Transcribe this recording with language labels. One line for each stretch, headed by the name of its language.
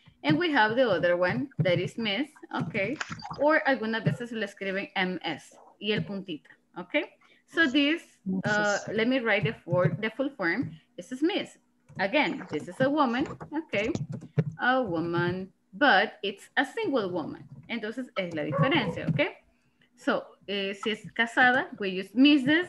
English: And we have the other one, that is Miss, okay?
Spanish: Or algunas veces le escriben MS, y el puntito, okay?
English: So this, let me write the full form. This is Miss. Again, this is a woman, okay? A woman, but it's a single woman.
Spanish: Entonces, es la diferencia, okay? So, si es casada,
English: we use Mrs.